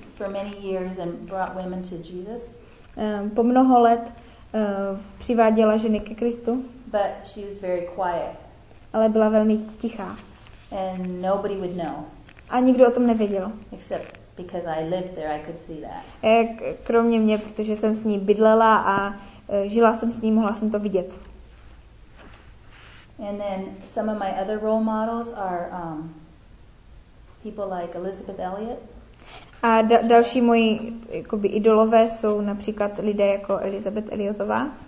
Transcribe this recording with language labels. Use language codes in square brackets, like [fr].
[en] For many years and brought women to Jesus. [cs] Po mnoho let přiváděla ženy ke Kristu. [en] But she was very quiet. [cs] Ale byla velmi tichá. [en] And nobody would know. [cs] A nikdo o tom nevěděl. [en] Except because I lived there, I could see that. [cs] Kromě mě, protože jsem s ní bydlela a žila jsem s ní, mohla jsem to vidět. [en] And then some of my other role models are people like Elizabeth Elliot. [cs] A další moji jakoby idolové jsou například lidé jako Elizabeth Elliotová.